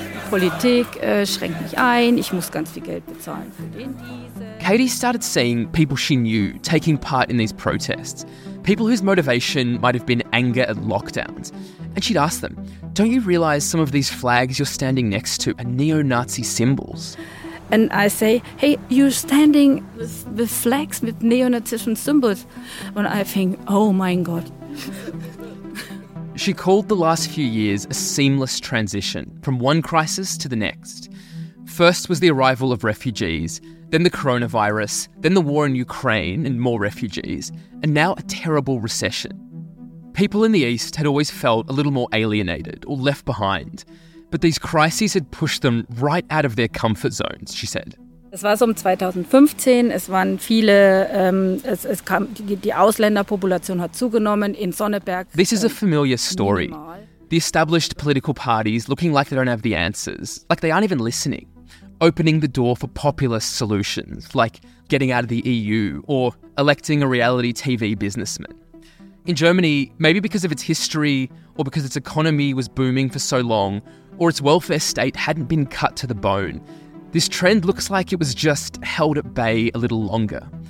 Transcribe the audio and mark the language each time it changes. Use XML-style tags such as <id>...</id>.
<de>Politik schränkt mich ein, ich muss ganz viel Geld bezahlen für den Diesel.</de> <en>Katie started seeing people she knew taking part in these protests. People whose motivation might have been anger at lockdowns. And she'd ask them, don't you realise some of these flags you're standing next to are neo-Nazi symbols? And I say, hey, you're standing with flags with neo-Nazi symbols. And I think, oh my God. She called the last few years a seamless transition from one crisis to the next. First was the arrival of refugees, then the coronavirus, then the war in Ukraine and more refugees, and now a terrible recession. People in the East had always felt a little more alienated or left behind. But these crises had pushed them right out of their comfort zones, she said.</en> <de>Es war so um 2015, es waren viele, es kam, die Ausländerpopulation hat zugenommen in Sonneberg.</de> <en>This is a familiar story. The established political parties looking like they don't have the answers, like they aren't even listening, opening the door for populist solutions, like getting out of the EU or electing a reality TV businessman. In Germany, maybe because of its history or because its economy was booming for so long, or its welfare state hadn't been cut to the bone, this trend looks like it was just held at bay a little longer.</en>